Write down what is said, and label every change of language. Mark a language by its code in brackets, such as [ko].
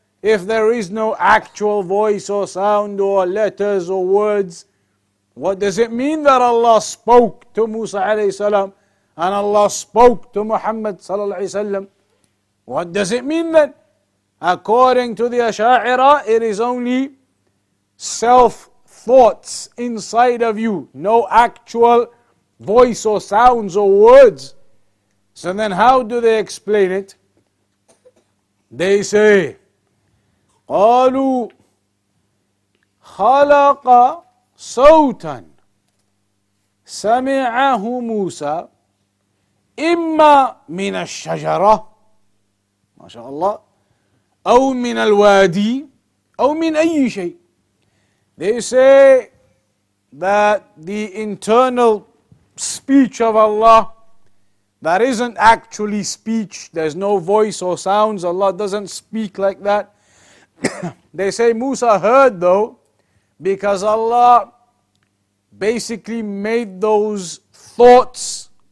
[en] If there is no actual voice or sound or letters or words, what does it mean that Allah spoke to Musa alayhi salam and Allah spoke to Muhammad sallallahu alayhi salam? What does it mean then? According to the Asha'ira, it is only self-thoughts inside of you, no actual voice or sounds or words. So then how do they explain it? They say, [ar] قالوا خلق صوتا سمعه موسى إما من الشجرة ما شاء الله أو من الوادي أو من أي شيء. [en] They say that the internal speech of Allah that isn't actually speech, there's no voice or sounds, Allah doesn't speak like that. They say Musa heard though, because Allah basically made those thoughts